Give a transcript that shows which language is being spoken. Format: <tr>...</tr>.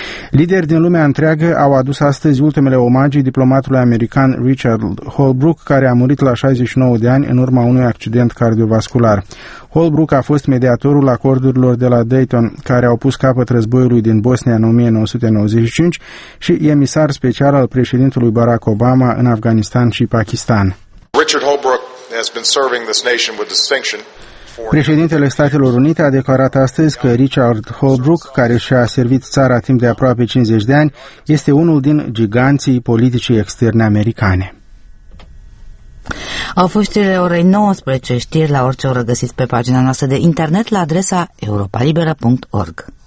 <ro>Lideri din lumea întreagă au adus astăzi ultimele omagii diplomatului american Richard Holbrook, care a murit la 69 de ani în urma unui accident cardiovascular. Holbrook a fost mediatorul acordurilor de la Dayton, care au pus capăt războiului din Bosnia în 1995, și emisar special al președintelui Barack Obama în Afganistan și Pakistan.</ro> <en>Richard Holbrook has been serving this nation with distinction.</en> <ro>Președintele Statelor Unite a declarat astăzi că Richard Holbrooke, care și-a servit țara timp de aproape 50 de ani, este unul din giganții politicii externe americane. Au fost știrile orei 19, știri la orice oră găsiți pe pagina noastră de internet la adresa europalibera.org.</ro>